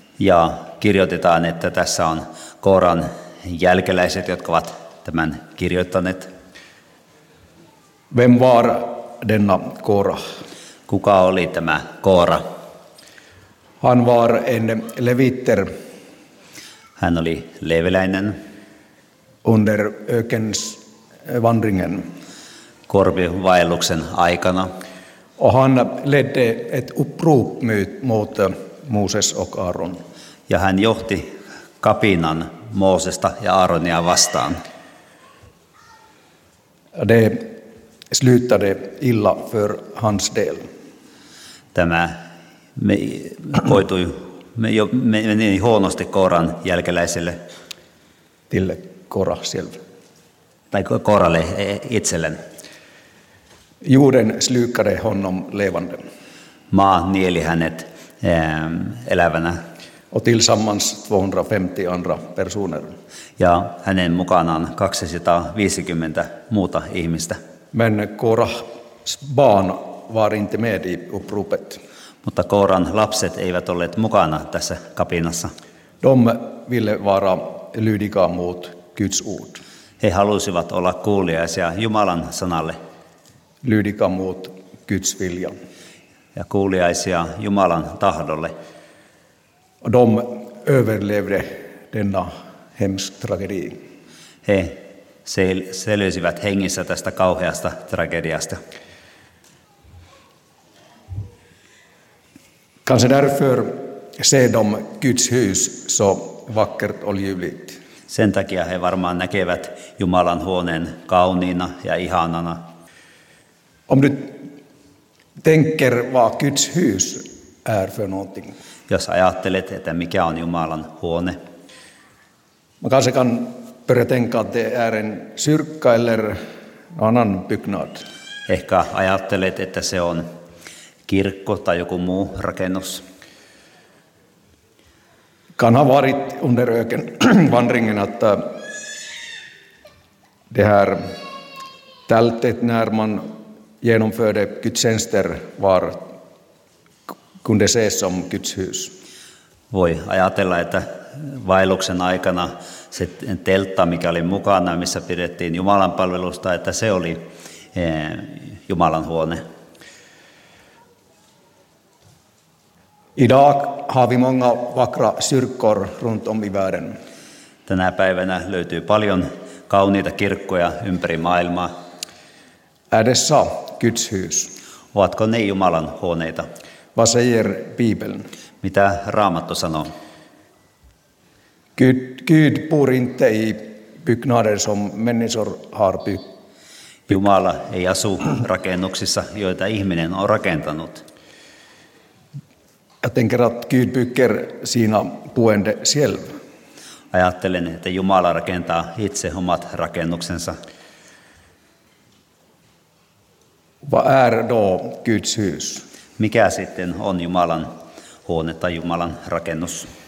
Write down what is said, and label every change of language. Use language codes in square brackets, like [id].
[fi] Ja kirjoitetaan, että tässä on Kooran jälkeläiset, jotka ovat tämän kirjoittaneet. [sv] Vem var denna Kora? [fi] Kuka oli tämä Koora? [sv] Han var en leviter. [fi] Hän oli leveläinen. [sv] Under ökens vandringen. [fi] Korpivaelluksen aikana. [sv] Och han ledde ett upprop mot Moses och Aaron. [fi] Ja hän johti kapinan Moosesta ja Aaronia vastaan. [sv] Det slutade illa för hans del. [fi] Tämä meni huonosti Kooran jälkeläiselle. [sv] Tille Koora själv. [fi] Tai Kooralle itsellen. [sv] Juden slukade honom levande. [fi] Maa nieli hänet elävänä. [sv] Och tillsammans 250 andra personer. [fi] Ja hänen mukanaan 250 muuta ihmistä. [sv] Men Kooras barn var inte med i uppropet. [fi] Mutta Kooran lapset eivät olleet mukana tässä kapinassa. [sv] De ville vara lydiga mot Guds ord. [fi] He halusivat olla kuuliaisia Jumalan sanalle. [sv] Lydiga mot Guds vilja. [fi] Ja kuuliaisia Jumalan tahdolle. [sv] De överlevde denna hemsk tragedi. [fi] He selvisivät hengissä tästä kauheasta tragediasta. [sv] Kanske därför ser de Guds hus så vackert och ljuvligt. [fi] Sen takia he varmaan näkevät Jumalan huoneen kauniina ja ihanana. [sv] Om du tänker vad Guds hus är för någonting. [fi] Jos ajattelet, että mikä on Jumalan huone. [sv] Man kanske kan börja tänka att det är en kyrka eller annan byggnad. [fi] Ehkä ajattelet, että se on kirkko tai joku muu rakennus. [sv] Kan ha varit under öken vandringen att det här tältet när man genomförde gudstjänster var kunde ses som Guds hus. [fi] Voi ajatella, että vaelluksen aikana se teltta, mikä oli mukana, missä pidettiin Jumalan palvelusta, että se oli Jumalan huone. [sv] Idag har vi många vackra kyrkor runt om i världen. [fi] Tänä päivänä löytyy paljon kauniita kirkkoja ympäri maailmaa. [sv] Edessä Guds hus. [fi] Ovatko ne Jumalan huoneita? [sv] Vad säger Bibeln? [fi] Mitä Raamattu sanoo? [sv] Gud bor inte i byggnader som människor har byggt. [fi] Jumala ei asu rakennuksissa, joita ihminen on rakentanut. [sv] Jag tänker att Gud bygger sina boende själv. [fi] Ajattelen, että Jumala rakentaa itse omat rakennuksensa. [sv] Vad är då Guds hus? [fi] Mikä sitten on Jumalan huone tai Jumalan rakennus?